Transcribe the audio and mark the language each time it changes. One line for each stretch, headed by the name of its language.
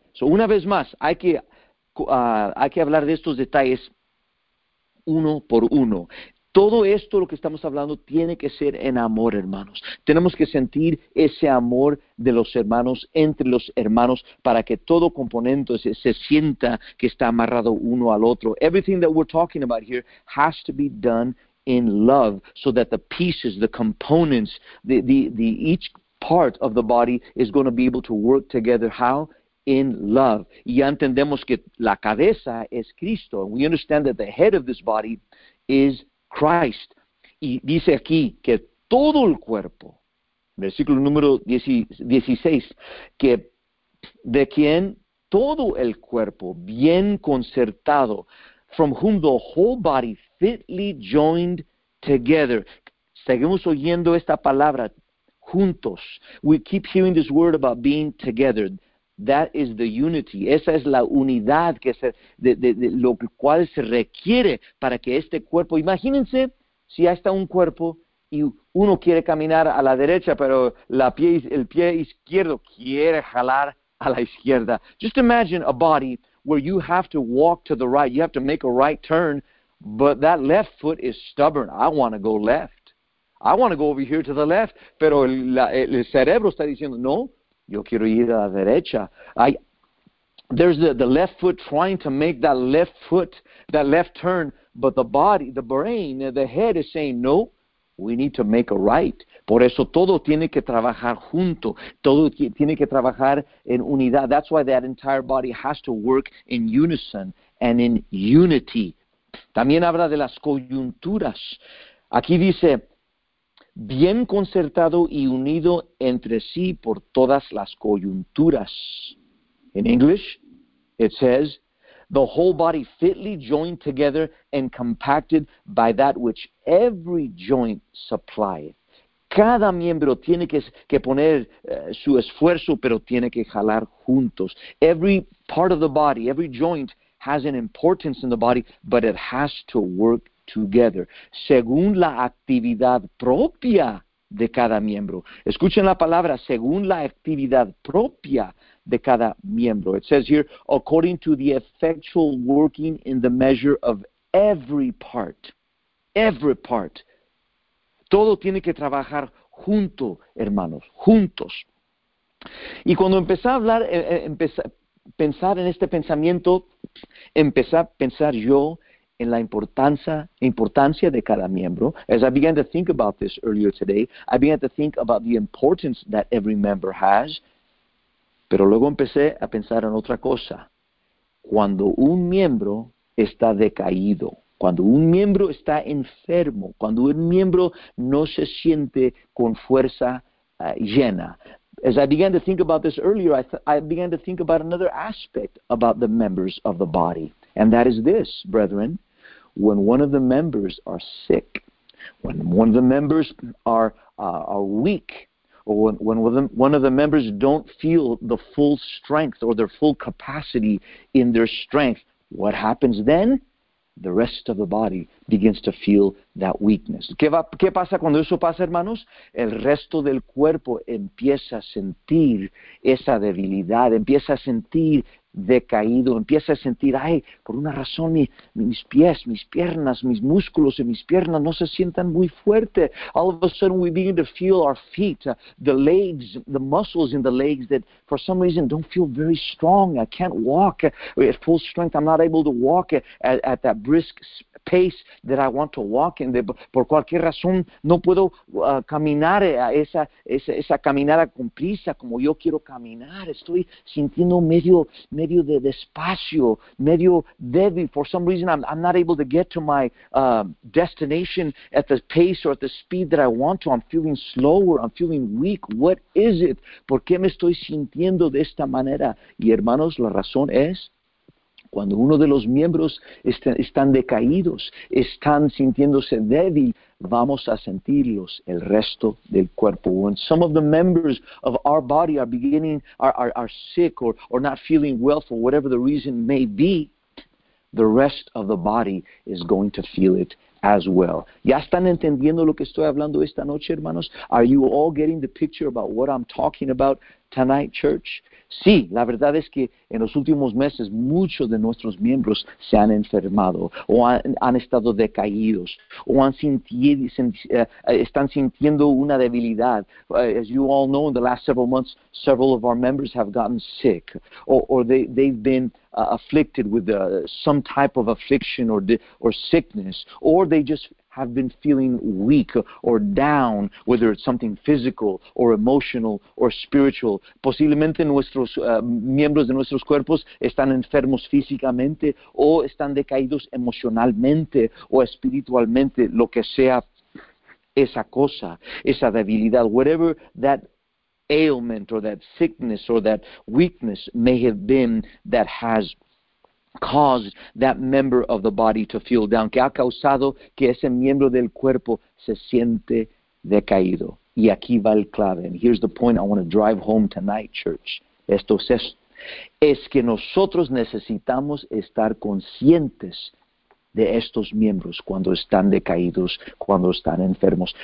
Spanish: So, una vez más, hay que hablar de estos detalles uno por uno. Todo esto lo que estamos hablando tiene que ser en amor, hermanos. Tenemos que sentir ese amor de los hermanos, entre los hermanos, para que todo componente se sienta que está amarrado uno al otro.
English: Everything that we're talking about here has to be done in love, so that the pieces, the components, the each part of the body is going to be able to work together. How? In love.
Spanish: Y ya entendemos que la cabeza es Cristo.
English: We understand that the head of this body is Christ.
Spanish: Y dice aquí que todo el cuerpo, versículo número 16, que de quien todo el cuerpo bien concertado,
English: from whom the whole body fitly joined together.
Spanish: Seguimos oyendo esta palabra, juntos.
English: We keep hearing this word about being together. That is the unity.
Spanish: Esa es la unidad que se, de lo cual se requiere para que este cuerpo. Imagínense si ya está un cuerpo y uno quiere caminar a la derecha, pero el pie izquierdo quiere jalar a la izquierda.
English: Just imagine a body where you have to walk to the right. You have to make a right turn, but that left foot is stubborn. I want to go left. I want to go over here to the left.
Spanish: Pero el cerebro está diciendo no. Yo quiero ir a la derecha.
English: There's the left foot trying to make that left foot, that left turn, but the body, the brain, the head is saying, no, we need to make a right.
Spanish: Por eso todo tiene que trabajar junto. Todo tiene que trabajar en unidad.
English: That's why that entire body has to work in unison and in unity.
Spanish: También habla de las coyunturas. Aquí dice, bien concertado y unido entre sí por todas las coyunturas.
English: In English, it says, the whole body fitly joined together and compacted by that which every joint supplieth.
Spanish: Cada miembro tiene que poner su esfuerzo, pero tiene que jalar juntos.
English: Every part of the body, every joint has an importance in the body, but it has to work together,
Spanish: según la actividad propia de cada miembro. Escuchen la palabra, según la actividad propia de cada miembro.
English: It says here, according to the effectual working in the measure of every part. Every part.
Spanish: Todo tiene que trabajar junto, hermanos, juntos. Y cuando empecé a hablar, empecé a pensar en este pensamiento, empecé a pensar yo en la importancia de cada miembro.
English: As I began to think about this earlier today, I began to think about the importance that every member has.
Spanish: Pero luego empecé a pensar en otra cosa. Cuando un miembro está decaído, cuando un miembro está enfermo, cuando un miembro no se siente con fuerza llena.
English: As I began to think about this earlier, I began to think about another aspect about the members of the body. And that is this, brethren, when one of the members are sick, when one of the members are weak, or when one of the members don't feel the full strength or their full capacity in their strength, what happens then? The rest of the body begins to feel that weakness.
Spanish: ¿Qué pasa cuando eso pasa, hermanos? El resto del cuerpo empieza a sentir esa debilidad, empieza a sentir decaído, empieza a sentir, ay, por una razón mis pies, mis piernas, mis músculos en mis piernas no se sientan muy fuerte.
English: All of a sudden we begin to feel our feet, the legs, the muscles in the legs that for some reason don't feel very strong. I can't walk at full strength. I'm not able to walk at that brisk pace that I want to walk in.
Spanish: Por cualquier razón, no puedo caminar a esa caminada con prisa como yo quiero caminar. Estoy sintiendo medio de despacio, medio débil.
English: For some reason, I'm not able to get to my destination at the pace or at the speed that I want to. I'm feeling slower. I'm feeling weak. What is it?
Spanish: ¿Por qué me estoy sintiendo de esta manera? Y hermanos, la razón es, cuando uno de los miembros están decaídos, están sintiéndose débil, vamos a sentirlos el resto del cuerpo.
English: When some of the members of our body are sick or not feeling well for whatever the reason may be, the rest of the body is going to feel it as well.
Spanish: ¿Ya están entendiendo lo que estoy hablando esta noche, hermanos?
English: Are you all getting the picture about what I'm talking about tonight, church?
Spanish: Sí, la verdad es que en los últimos meses muchos de nuestros miembros se han enfermado o han estado decaídos o están sintiendo una debilidad.
English: As you all know, in the last several months, several of our members have gotten sick or they've been afflicted with some type of affliction or sickness, or they just have been feeling weak or down, whether it's something physical or emotional or spiritual.
Spanish: Posiblemente nuestros miembros de nuestros cuerpos están enfermos físicamente o están decaídos emocionalmente o espiritualmente, lo que sea esa cosa, esa debilidad,
English: whatever that ailment or that sickness or that weakness may have been that has caused that member of the body to feel down,
Spanish: que ha causado que ese miembro del cuerpo se siente decaído. Y aquí va el clave.
English: And here's the point I want to drive home tonight, church.
Spanish: Esto es que nosotros necesitamos estar conscientes de estos miembros cuando están decaídos, cuando están enfermos.